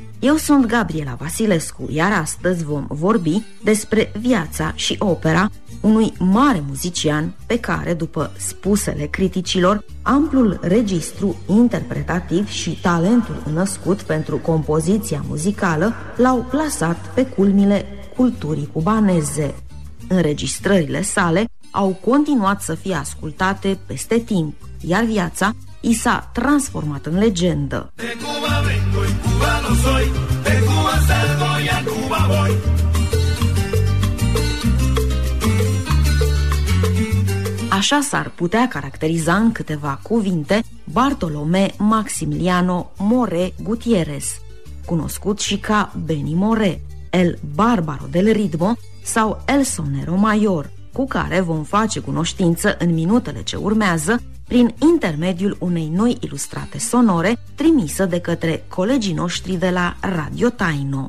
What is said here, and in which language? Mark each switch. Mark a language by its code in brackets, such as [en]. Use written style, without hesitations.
[ro] Eu sunt Gabriela Vasilescu, iar astăzi vom vorbi despre viața și opera unui mare muzician pe care, după spusele criticilor, amplul registru interpretativ și talentul născut pentru compoziția muzicală l-au plasat pe culmile culturii cubaneze. Înregistrările sale au continuat să fie ascultate peste timp, iar viața i s-a transformat în legendă. [es] De Cuba vengo y cubano soy, de Cuba salgo y a Cuba voy. [ro] Așa s-ar putea caracteriza în câteva cuvinte Bartolomé Maximiliano More Gutierrez, cunoscut și ca Benny More, El Bárbaro del Ritmo sau El Sonero Mayor, cu care vom face cunoștință în minutele ce urmează prin intermediul unei noi ilustrate sonore trimisă de către colegii noștri de la Radio Taino.